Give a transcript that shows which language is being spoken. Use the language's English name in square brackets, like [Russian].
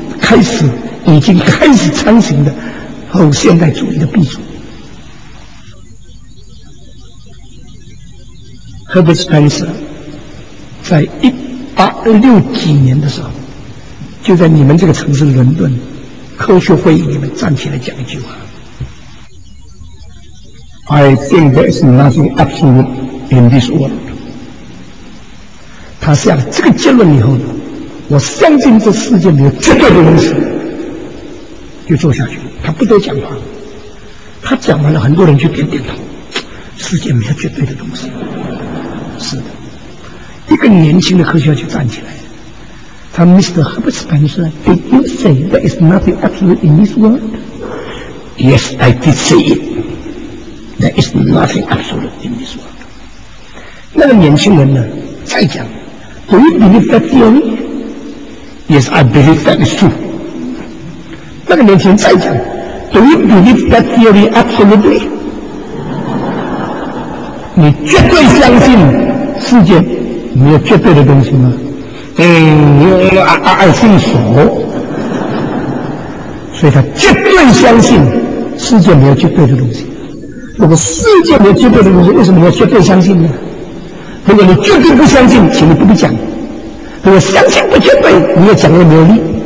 [Chinese] 开始已经开始成型的后现代主义的鼻祖。 Herbert Spencer 在1860几年的时候，就在你们这个城市伦敦科学会议里面站起来讲一句话。 [English] I think there is nothing absolute in this world. [Chinese] 他下了这个结论以后呢，我相信这世界没有绝对的东西，就做下去。他不得讲话，他讲完了，很多人就点点头。世界没有绝对的东西，是的。一个年轻的科学家就站起来，他 Mr. [English] Herbert Spencer, did you say there is nothing absolute in this world? Yes, I did say it. There is nothing absolute in this world. [Chinese] 那个年轻人呢，再讲 [English] ，Do you believe that theory? Yes, I believe that is true. [Chinese] 那个年轻人再讲 [English] ，Do you believe that theory absolutely? [Chinese] 你绝对相信世界没有绝对的东西吗？ [English] I think so. [Chinese] 所以他绝对相信世界没有绝对的东西。如果世界没有绝对的东西，为什么你要绝对相信呢？如果你绝对不相信，请你不必讲；如果相信不绝对，你也讲了没有力。